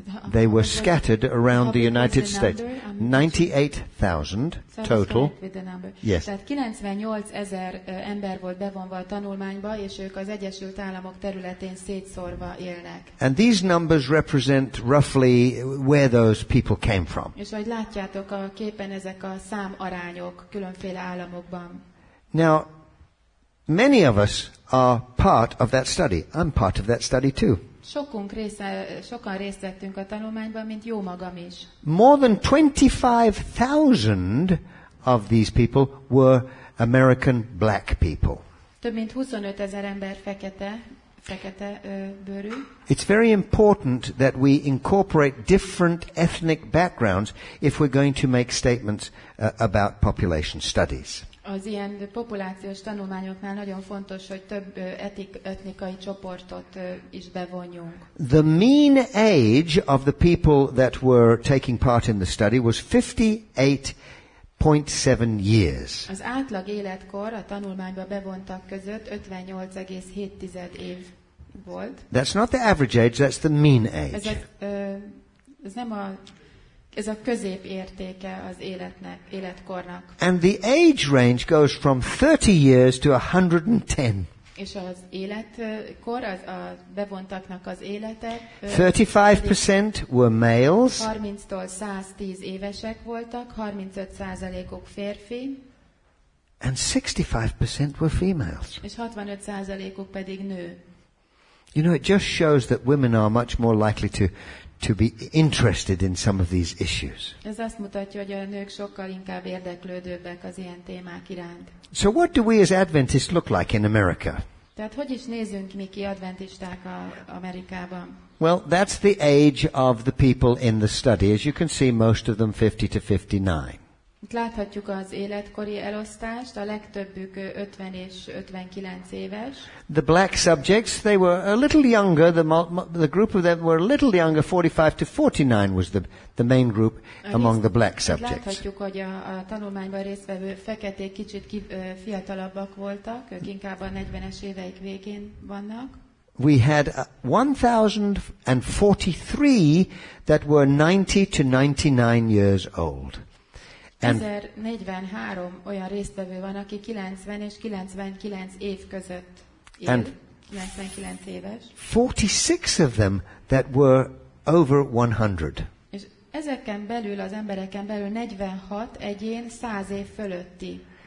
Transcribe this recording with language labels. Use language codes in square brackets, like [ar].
[en] They were scattered around the United States. 98,000 total. Yes. [hu] Tehát 98,000 ember volt bevonva a tanulmányba, és ők az Egyesült Államok területén szétszórva élnek. [en] And these numbers represent roughly where those people came from. [hu] És ahogy látjátok a képen, ezek a szám arányok különféle államokban. [en] Now, many of us are part of that study. I'm part of that study too. [hu] Sokan részt vettünk a tanulmányban, mint jó magam is. [en] More than 25,000 of these people were American black people. [hu] Több mint 25,000 ember fekete bőrű. [en] It's very important that we incorporate different ethnic backgrounds if we're going to make statements about population studies. [hu] Az ilyen populációs tanulmányoknál nagyon fontos, hogy több etnikai csoportot is bevonjunk. [en] The mean age of the people that were taking part in the study was 58.7 years. [hu] Az átlag életkor a tanulmányba bevontak között 58,7 év volt. [en] That's not the average age, that's the mean age. [hu] Ez nem a Ez a közép értéke az életnek, életkornak. [en] And the age range goes from 30 years to 110. [hu] És az életkor az a bevontaknak az élete. [en] 35% were males. [hu] 30-tól 110 évesek voltak, 35%-uk férfi. [en] And 65% were females. [hu] És 65%-uk pedig nő. [en] You know, it just shows that women are much more likely to be interested in some of these issues. [hu] Ez azt mutatja, hogy a nők sokkal inkább érdeklődőbbek az ilyen témák iránt. [en] So what do we as Adventists look like in America? [hu] Tehát hogy is nézünk mi ki adventisták Amerikában? [en] Well, that's the age of the people in the study. As you can see, most of them 50 to 59. [hu] Itt láthatjuk az életkori elosztást, a legtöbbük 50 és 59 éves. [en] The black subjects, they were a little younger, the group of them were a little younger, 45 to 49 was the main group among the black subjects. [hu] Láthatjuk, hogy a tanulmányban résztvevő feketék kicsit fiatalabbak voltak, ők inkább a 40-es éveik végén vannak. [en] We had 1,043 that were 90 to 99 years old. [hu] And 1,043 olyan résztvevő van, aki 90 és 99 év között él, 99 éves. [en] 46 of them that were over 100. [hu] És ezeken belül, az embereken belül 46 egyén 100 év fölötti.